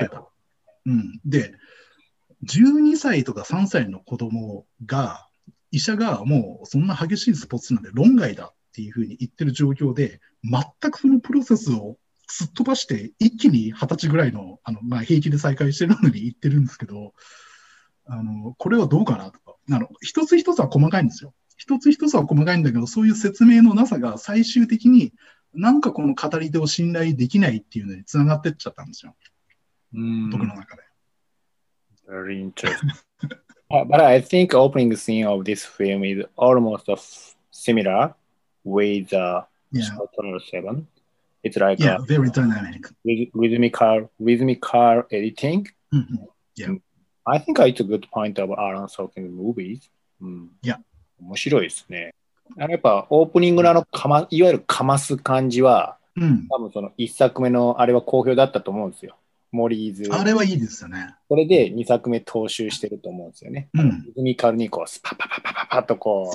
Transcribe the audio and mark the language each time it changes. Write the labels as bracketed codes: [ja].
[ja] 例えば、うん、で12歳とか3歳の子供が医者がもうそんな激しいスポーツなんで論外だっていうふうに言ってる状況で、全くそのプロセスをすっ飛ばして一気に20歳ぐらい の, あの、まあ、平気で再開してるのに言ってるんですけど、あのこれはどうかなとか、あの一つ一つは細かいんですよ、一つ一つは細かいんだけど、そういう説明のなさが最終的になんかこの語り手を信頼できないっていうのにつながってっちゃったんですよ、うん、僕の中で。 [en] Very interesting. But I think opening scene of this film is almost similar with the Channel 7. It's like very dynamic. Rhythmical editing. Mm-hmm. Yeah. I think it's a good point of Aaron Sorkin's movies. Yeah. [ja] 面白いですね。やっぱオープニングのあのかま、いわゆるかます感じは、多分その1作目のあれは好評だったと思うんですよ。モーリーズ。あれはいいですよね。それで2作目踏襲してると思うんですよね。うん、リズミカルにこう、スパパパパパパッとこう、